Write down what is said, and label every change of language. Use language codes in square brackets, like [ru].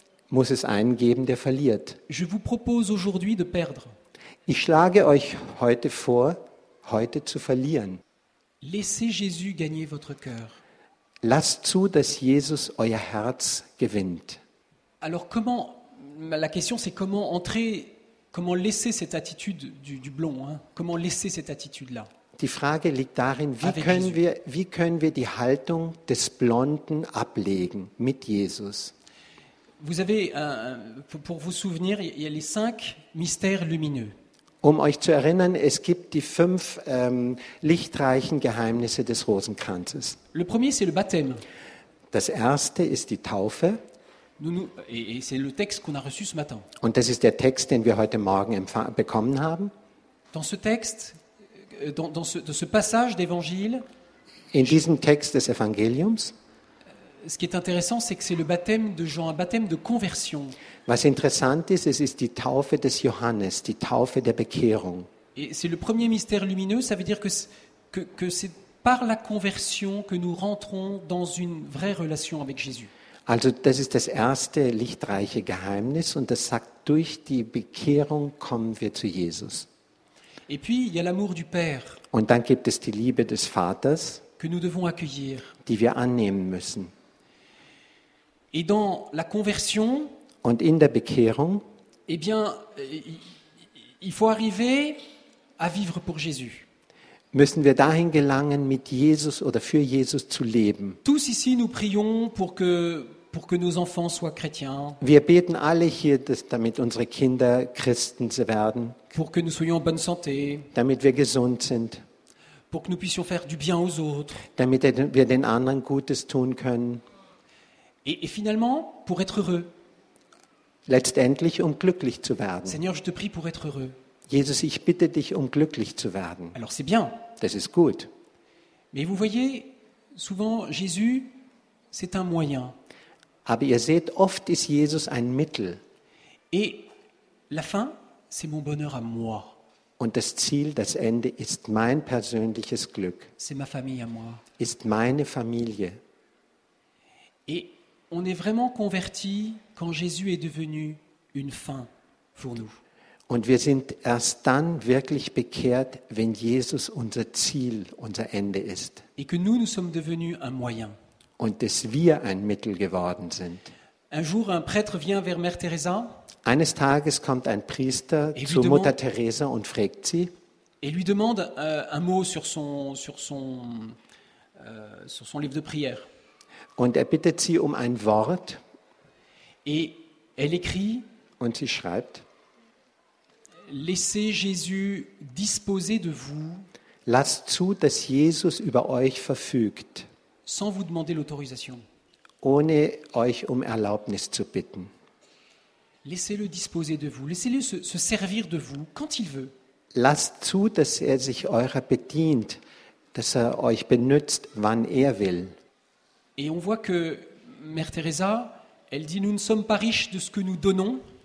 [de] Muss es einen geben, der verliert. [fr] Je vous propose aujourd'hui de perdre. [de] Ich schlage euch heute vor, heute zu verlieren. [fr] Laissez Jésus gagner votre cœur. [de] Lasst zu, dass Jesus euer Herz gewinnt. [fr] Alors comment, la question c'est comment entrer, comment laisser cette attitude du blond, hein? Comment laisser cette attitude là? [de] Die Frage liegt darin, wie können wir die Haltung des Blonden ablegen mit Jesus? [fr] Vous avez pour vous souvenir, il y a les cinq mystères lumineux. [de] Um euch zu erinnern, es gibt die fünf lichtreichen Geheimnisse des Rosenkranzes. [fr] Le premier, c'est le baptême. [de] Das erste ist die Taufe. [fr] Et c'est le texte qu'on a reçu ce matin. [de] Und das ist der Text, den wir heute Morgen bekommen haben. [fr] Dans ce texte, dans ce passage d'Évangile, [de] in diesem Text des Evangeliums, [fr] ce qui est intéressant, c'est que c'est le baptême de Jean, un baptême de conversion. [de] Was interessant ist, es ist die Taufe des Johannes, die Taufe der Bekehrung. [fr] Et c'est le premier mystère lumineux, ça veut dire que c'est par la conversion que nous rentrons dans une vraie relation avec Jésus. [de] Also, das ist das erste lichtreiche Geheimnis und das sagt, durch die Bekehrung kommen wir zu Jesus. [fr] Et puis, il y a l'amour du Père. [de] Und dann gibt es die Liebe des Vaters, [fr] que nous devons accueillir. [de] Die wir annehmen müssen. [fr] Et dans la conversion, [de] und in der Bekehrung, [fr] eh bien, il faut arriver à vivre pour Jésus. [de] Müssen wir dahin gelangen, mit Jesus oder für Jesus zu leben. [fr] Tous ici, nous prions pour que pour que nos enfants soient chrétiens. [de] Wir beten alle hier, damit unsere Kinder Christen werden. [fr] Pour que nous soyons en bonne santé. [de] Damit wir gesund sind. [fr] Pour que nous puissions faire du bien aux autres. [de] Damit wir den anderen Gutes tun können. [fr] Et finalement, pour être heureux. [de] Letztendlich, um glücklich zu werden. [fr] Seigneur, je te prie pour être heureux. [de] Jesus, ich bitte dich, um glücklich zu werden. [fr] Alors c'est bien. [de] Das ist gut. [fr] Mais vous voyez, souvent Jésus, c'est un moyen. [de] Aber ihr seht, oft ist Jesus ein Mittel. [fr] Et la fin, c'est mon bonheur à moi. [de] Und das Ziel, das Ende, ist mein persönliches Glück. [fr] C'est ma famille à moi. [de] Ist meine Familie. [fr] Et on est vraiment converti quand Jésus est devenu une fin pour nous. [de] Und wir sind erst dann wirklich bekehrt, wenn Jesus unser Ziel, unser Ende ist. [fr] Et que nous sommes devenus un moyen. [de] Und dass wir ein Mittel geworden sind. [fr] Un jour, un prêtre vient vers Mère Teresa. [de] Eines Tages kommt ein Priester zu Mutter Teresa und fragt sie. [fr] Et lui demande un mot sur son livre de prière. [de] Und er bittet sie um ein Wort. [fr] Et elle écrit. [de] Und sie schreibt. [fr] Laissez Jésus disposer de vous. [de] Lasst zu, dass Jesus über euch verfügt. [fr] Sans vous demander l'autorisation. [de] Ohne euch um Erlaubnis zu bitten. [fr] Laissez-le disposer de vous. Laissez-le se servir de vous quand il veut. [de] Lasst zu, dass er sich eurer bedient, dass er euch benutzt, wann er will. [fr] Et on voit que Mère Teresa, elle dit, nous ne sommes pas riches de ce que nous donnons.